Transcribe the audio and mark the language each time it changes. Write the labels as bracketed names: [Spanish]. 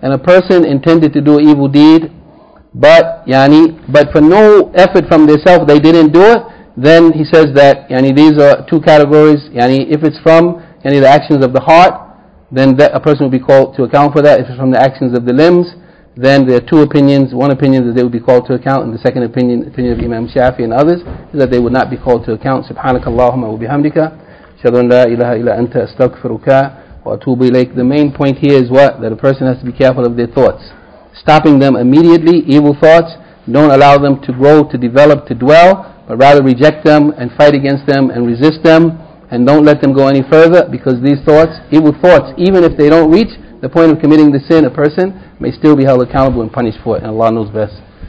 [English] And a person intended to do an evil deed, but, yani, but for no effort from themselves they didn't do it, then he says that, yani, these are two categories. Yani, if it's from, yani, the actions of the heart, then that a person will be called to account for that. If it's from the actions of the limbs, then there are two opinions. One opinion is that they will be called to account, and the second opinion of Imam Shafi and others, is that they would not be called to account. [Arabic] Subhanakallahumma wa bihamdika. أشهد أن لا إله إلا أنت أستغفرك وأتوب إليك. [English] The main point here is what? That a person has to be careful of their thoughts. Stopping them immediately, evil thoughts, don't allow them to grow, to develop, to dwell, but rather reject them and fight against them and resist them, and don't let them go any further, because these thoughts, evil thoughts, even if they don't reach the point of committing the sin, a person may still be held accountable and punished for it, and Allah knows best.